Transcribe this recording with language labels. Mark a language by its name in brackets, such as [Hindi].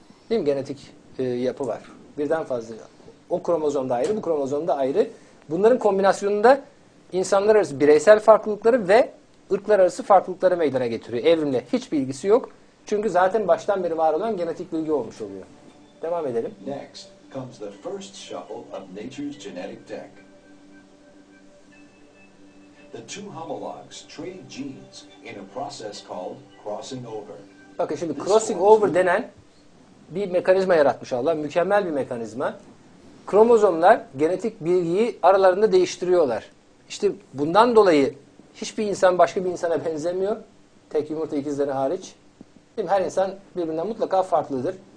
[Turkish] Değil mi? Genetik yapı var. Birden fazla. O kromozom da ayrı, bu kromozom da ayrı. Bunların kombinasyonunda insanlar arası bireysel farklılıkları ve ırklar arası farklılıkları meydana getiriyor. Evrimle hiçbir ilgisi yok. Çünkü zaten baştan beri var olan genetik bilgi olmuş oluyor. Devam edelim. [English] Next comes the first shuffle of nature's genetic deck. The two homologs trade genes in a process called crossing over. [Turkish] Bakın şimdi crossing over denen bir mekanizma yaratmış Allah. Mükemmel bir mekanizma. Kromozomlar genetik bilgiyi aralarında değiştiriyorlar. İşte bundan dolayı hiçbir insan başka bir insana benzemiyor. Tek yumurta ikizleri hariç. Değil mi? Her insan birbirinden mutlaka farklıdır.